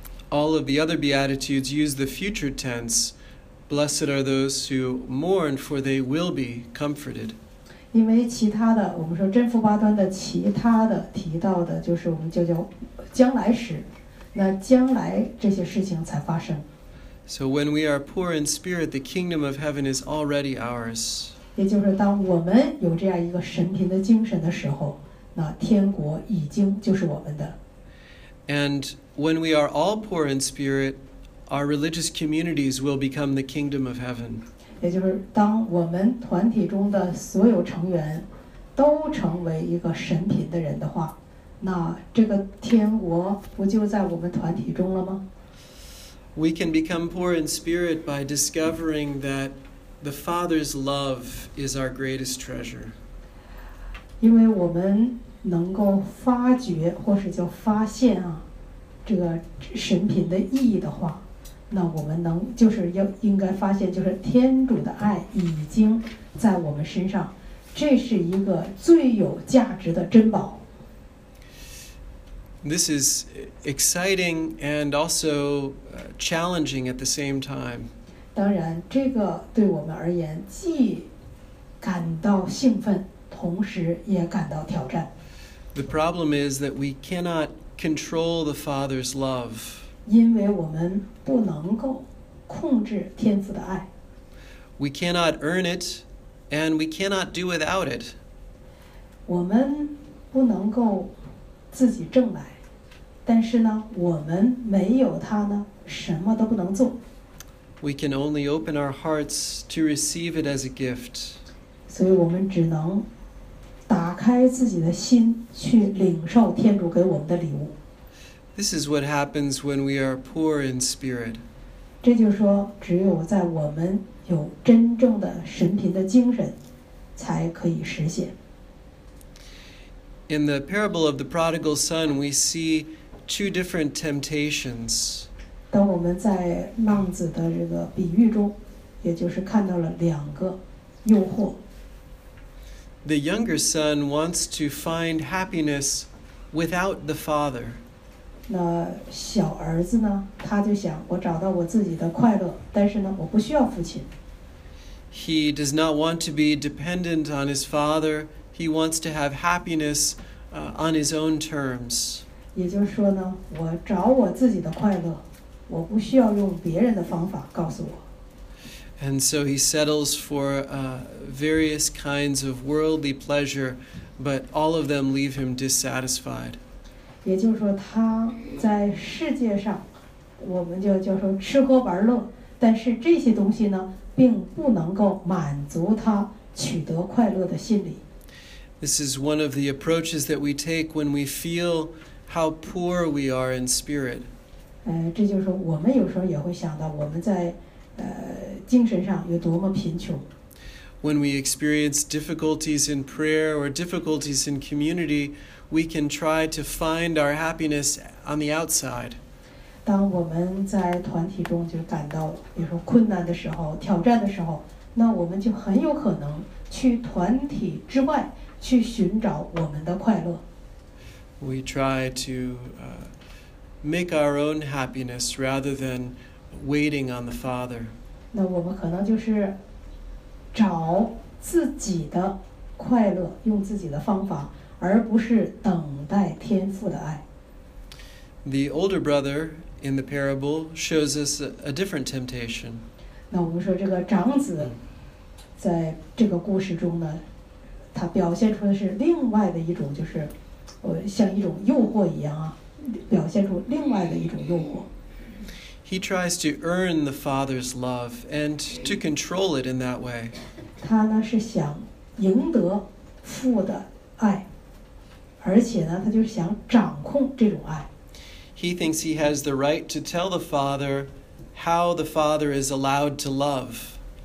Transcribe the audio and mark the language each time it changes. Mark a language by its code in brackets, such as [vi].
[en] All of the other Beatitudes use the future tense, blessed are those who mourn, for they will be comforted. [zh] 因为其他的，我们说真福八端的其他的提到的，就是我们就叫将来时，那将来这些事情才发生。 [en] So when we are poor in spirit, the kingdom of heaven is already ours. [zh] 也就是当我们有这样一个神贫的精神的时候，那天国已经就是我们的。 [en] And when we are all poor in spirit, our religious communities will become the kingdom of heaven. [zh] 也就是当我们团体中的所有成员都成为一个神贫的人的话，那这个天国不就在我们团体中了吗？ [en] We can become poor in spirit by discovering that the Father's love is our greatest treasure. [zh] 因为我们能够发觉或是叫发现啊，这个神品的意义的话，那我们能就是要应该发现，就是天主的爱已经在我们身上，这是一个最有价值的珍宝。 [en] This is exciting and also challenging at the same time. [zh] 当然，这个对我们而言既感到兴奋，同时也感到挑战。 [en] The problem is that we cannot control the Father's love. [zh] 因为我们不能够控制天父的爱。 [en] We cannot earn it, and we cannot do without it. [zh] 我们不能够自己挣来，但是呢，我们没有他呢，什么都不能做。 [en] We can only open our hearts to receive it as a gift. [zh] 所以我们只能打开自己的心去领受天主给我们的礼物。 [en] This is what happens when we are poor in spirit. [zh] 这就是说，只有在我们有真正的神贫的精神，才可以实现。 [en] In the parable of the prodigal son, we see two different temptations. [zh] 当我们在浪子的这个比喻中，也就是看到了两个诱惑。 [en] The younger son wants to find happiness without the father. [zh] 那小儿子呢？他就想我找到我自己的快乐，但是呢，我不需要父亲。 [en] He does not want to be dependent on his father. He wants to have happiness, on his own terms. [zh] 也就是说呢，我找我自己的快乐，我不需要用别人的方法告诉我。 [en] And so he settles for various kinds of worldly pleasure, but all of them leave him dissatisfied. [zh] 也就是说，他在世界上，我们就叫说吃喝玩乐，但是这些东西呢，并不能够满足他取得快乐的心理。 [en] This is one of the approaches that we take when we feel how poor we are in spirit. [zh] 这就是我们有时候也会想到我们在精神上有多么贫穷。 [en] When we experience difficulties in prayer or difficulties in community, we can try to find our happiness on the outside. [zh] 当我们在团体中就感到，比如说困难的时候、挑战的时候，那我们就很有可能去团体之外去寻找我们的快乐。 [en] We try to make our own happiness rather than waiting on the Father. [zh] 那我们可能就是找自己的快乐，用自己的方法，而不是等待天父的爱。 [en] The older brother in the parable shows us a different temptation. [zh] 那我们说这个长子在这个故事中呢，他表现出的是另外的一种，就是像一种诱惑一样啊，表现出另外的一种诱惑。 [en] He tries to earn the Father's love and to control it in that way. [zh] 他呢是想赢得父的爱，而且呢，他就是想掌控这种爱。 [en] He thinks he has the right to tell the Father how the Father is allowed to love.